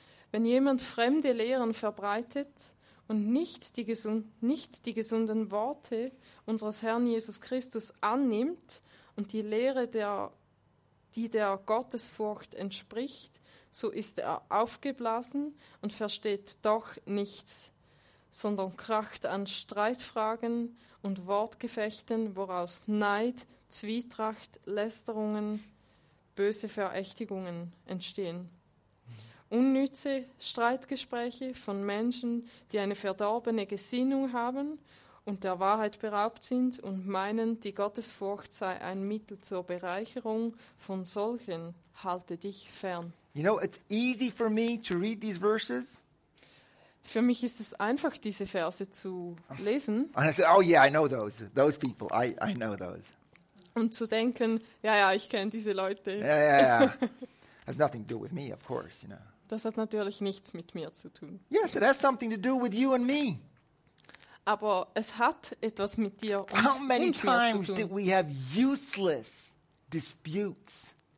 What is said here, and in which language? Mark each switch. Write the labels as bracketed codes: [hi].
[de] Wenn jemand fremde Lehren verbreitet und nicht die gesunden Worte unseres Herrn Jesus Christus annimmt und die Lehre, die der Gottesfurcht entspricht, so ist er aufgeblasen und versteht doch nichts, sondern kracht an Streitfragen und Wortgefechten, woraus Neid, Zwietracht, Lästerungen, böse Verächtigungen entstehen. Unnütze Streitgespräche von Menschen, die eine verdorbene Gesinnung haben und der Wahrheit beraubt sind und meinen, die Gottesfurcht sei ein Mittel zur Bereicherung von solchen, halte dich fern. [en] You know, it's easy for me to read these verses. [de] Für mich ist es einfach, diese Verse zu lesen. [en] And I say, oh yeah, I know those people. I know those. [de] Und zu denken, ja, ich kenne diese Leute. [en] Yeah. Has nothing to do with me, of course, you know. [de] Das hat natürlich nichts mit mir zu tun. [en] Yes, it has something to do with you and me. [de] Aber es hat etwas mit dir und mir zu tun. [en] How many times did we have useless disputes?